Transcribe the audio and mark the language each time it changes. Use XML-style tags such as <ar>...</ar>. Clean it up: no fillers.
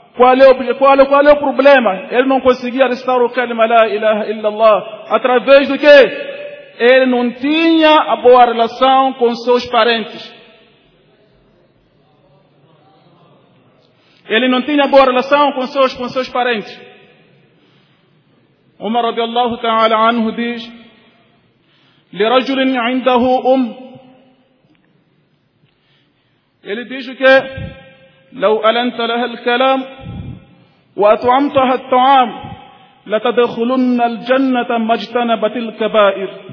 <pt>Qual é o problema? Ele não conseguia recitar o kalima la ilaha illallah. Através do quê? Ele não tinha a boa relação com seus parentes. Ele não tinha boa relação com seus parentes. Umar radiallahu ta'ala anhu diz,</pt> <ar>لِرَجُلٍ عِنْدَهُ</ar> <pt>Ele diz o quê?</pt> <ar>لَوْ أَلَنْتَ لَهَا الْكَلَامُ وَأَطْعَمْتَهَا الطَّعَامُ لَتَدَخُلُنَّ الْجَنَّةَ مَجْتَنَبَتِ الْكَبَائِرُ</ar>